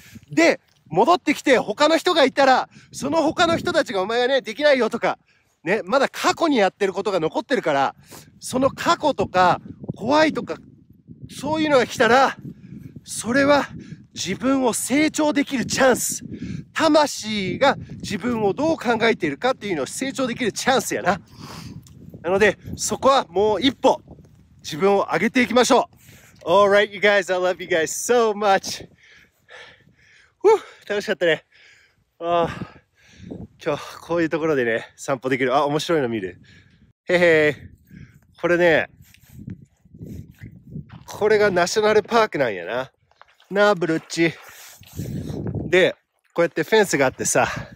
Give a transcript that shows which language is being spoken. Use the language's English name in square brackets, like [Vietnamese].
[Japanese] で、戻ってきて他の人がいたら、その他の人たちがお前がね、できないよとか、ね、まだ過去にやってることが残ってるから、その過去とか、怖いとか、そういうのが来たら、それは自分を成長できるチャンス。魂が自分をどう考えているかっていうのを成長できるチャンスやな。なので、そこはもう一歩、自分を上げていきましょう。 [English] Alright, you guys, I love you guys so much. [Japanese] 楽しかったね。あ、今日、こういうところでね、散歩できる。あ、面白いの見る。へへー。これね、これがナショナルパークなんやな。ナーブルッチ。で、こうやってフェンスがあってさ。